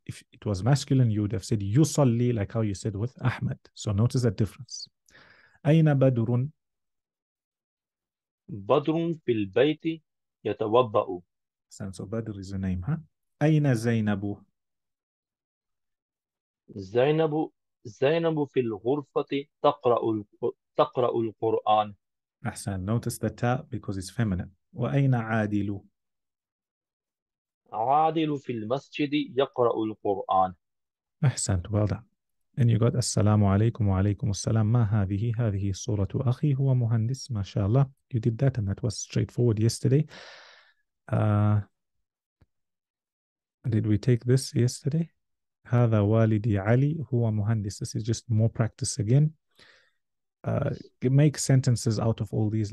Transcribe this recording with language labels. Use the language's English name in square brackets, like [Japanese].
[English] If it was masculine, you would have said يصلي like how you said with أحمد. So notice that difference. [Arabic] أين بدر? بدر في البيت يتوضأ. [English] So بدر is a name, huh? [Arabic] أين زينب؟ زينب في الغرفة تقرأ القرآن. أحسن. [English] Notice the ta because it's feminine. [Arabic] وأين عادل؟ عادل في المسجد يقرأ القرآن. أحسن. [English] Well done. And you got [Arabic] السلام عليكم وعليكم السلام. ما هذه؟ هذه صورة أخي هو مهندس. ما شاء الله. [English] You did that and that was straightforward yesterday. Did we take this yesterday? [Arabic] هذا والدي علي هو مهندس. [English] This is just more practice again. Make sentences out of all these.